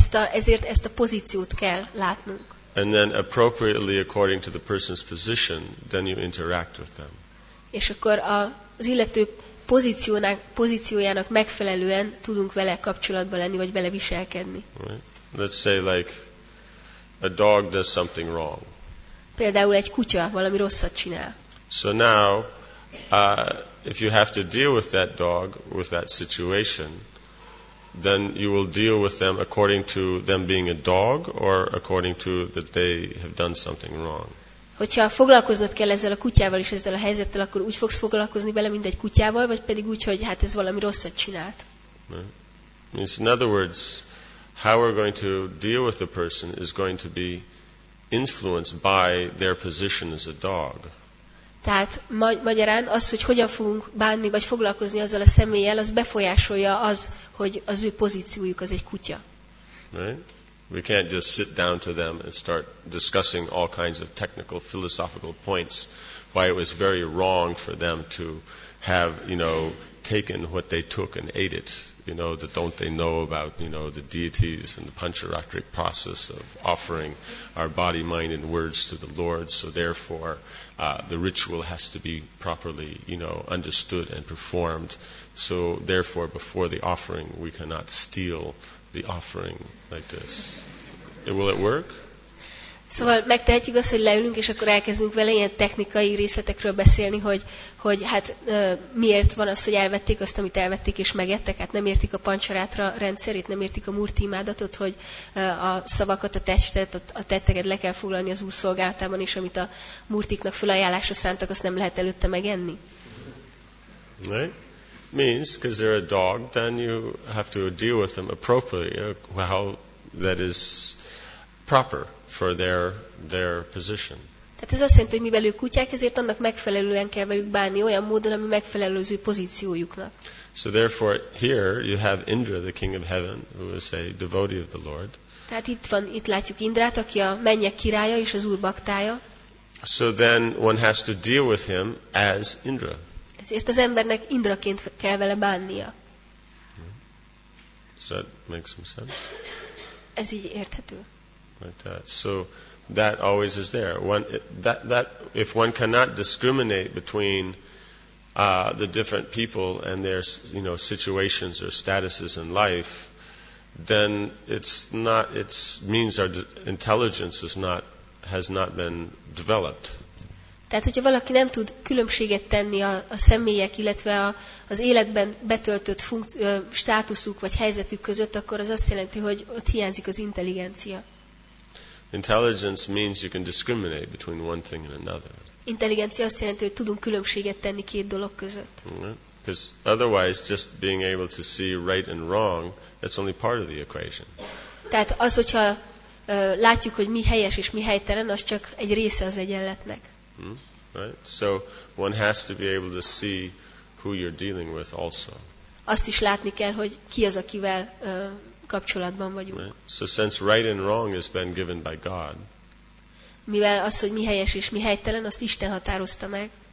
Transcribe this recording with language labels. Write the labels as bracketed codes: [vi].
[hu] Ezért ezt a pozíciót kell látnunk. [en] And then appropriately according to the person's position, then you interact with them. [hu] És akkor az illető pozíciójának megfelelően tudunk vele kapcsolatban lenni, vagy vele viselkedni. [en] Right. Let's say like a dog does something wrong. [hu] Például egy kutya valami rosszat csinál. [en] So now, if you have to deal with that dog, with that situation, then you will deal with them according to them being a dog or according to that they have done something wrong. [hu] Hogyha foglalkoznod kell ezzel a kutyával és ezzel a helyzettel, akkor úgy fogsz foglalkozni vele, mint egy kutyával, vagy pedig úgy, hogy hát ez valami rosszat csinált. [en] Right. In other words, how we're going to deal with the person is going to be influenced by their position as a dog. [hu] Tehát magyarán az, hogy hogyan fogunk bánni vagy foglalkozni azzal a személlyel, az befolyásolja az, hogy az ő pozíciójuk az egy kutya. [en] Right? We can't just sit down to them and start discussing all kinds of technical philosophical points why it was very wrong for them to have, you know, taken what they took and ate it. You know, that don't they know about, you know, the deities and the pancharatric process of offering our body, mind, and words to the Lord. So therefore, the ritual has to be properly, you know, understood and performed. So therefore, before the offering, we cannot steal the offering like this. Will it work? [hu] Szóval megtehetjük azt, hogy leülünk, és akkor elkezdünk vele ilyen technikai részletekről beszélni, hogy hát miért van az, hogy elvették azt, amit elvették, és megettek? Hát nem értik a pancsarátra rendszerét, nem értik a murti imádatot, hogy a szavakat, a testet, a tetteket le kell foglalni az Úr szolgálatában, és amit a murtiknak fölajánlásra szántak, azt nem lehet előtte megenni? [en] Right. Means, because they're a dog, then you have to deal with them appropriately, how that is proper for their position. [hu] Tehát ez azt jelenti, hogy mivel ők kutyák, ezért annak megfelelően kell velük bánni olyan módon, ami megfelelő az ő pozíciójuknak. [en] So therefore here you have Indra, the king of heaven, who is a devotee of the Lord. [hu] Tehát itt van, itt látjuk Indrát, aki a mennyek királya és az Úr baktája. [en] So then one has to deal with him as Indra. [hu] Ezért az embernek Indraként kell vele bánnia. [en] Does that make some sense? [hu] Ez így érthető. [en] Like that. So that always is there. One, that if one cannot discriminate between the different people and their, you know, situations or statuses in life, then it's not. It means our intelligence has not been developed. [hu] Tehát, hogyha valaki nem tud különbséget tenni a személyek, illetve az életben betöltött státuszuk vagy helyzetük között, akkor az azt jelenti, hogy ott hiányzik az intelligencia. [en] Intelligence means you can discriminate between one thing and another. [hu] Intelligencia azt jelenti, hogy tudunk különbséget tenni két dolog között. [en] Because otherwise, just being able to see right and wrong, that's only part of the equation. [hu] Tehát az, hogyha látjuk, hogy mi helyes és mi helytelen, az csak egy része az egyenletnek. [en] Right. So one has to be able to see who you're dealing with also. [hu] Azt is látni kell, hogy ki az, akivel kapcsolatban vagyunk. [en] Right. So since right and wrong has been given by God. [hu] Mivel az, hogy mi helyes és mi helytelen, azt Isten határozta meg.